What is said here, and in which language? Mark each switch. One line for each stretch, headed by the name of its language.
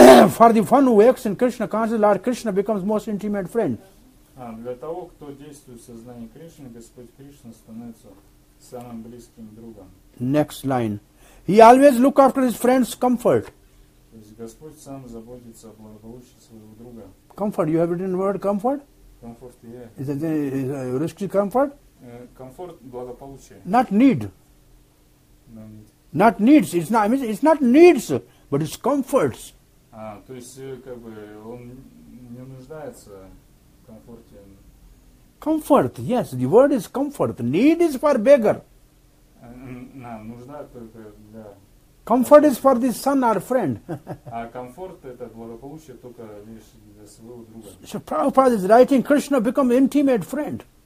English: For the one who acts in Krishna consciousness, Lord Krishna becomes most intimate friend.
Russian: Для того, кто действует в сознании Кришны, Господь Кришна становится самым близким другом.
English: Next line. He always look after his friend's comfort. То есть Господь сам заботится о благополучии своего друга. Comfort. You have written the word comfort? Comfort, yeah. Is it risky comfort?
Russian: Comfort, благополучие.
English: Not need. No need. Not needs. It's not. I mean, it's not needs, but it's comforts.
Russian: То есть как бы он не нуждается в комфорте.
English: Comfort, yes. The word is comfort. Need is for beggar.
Russian: Нужда только для.
English: Comfort is for the son or friend.
Russian: А комфорт это благополучие только лишь.
English: So Prabhupada is writing, Krishna become intimate friend.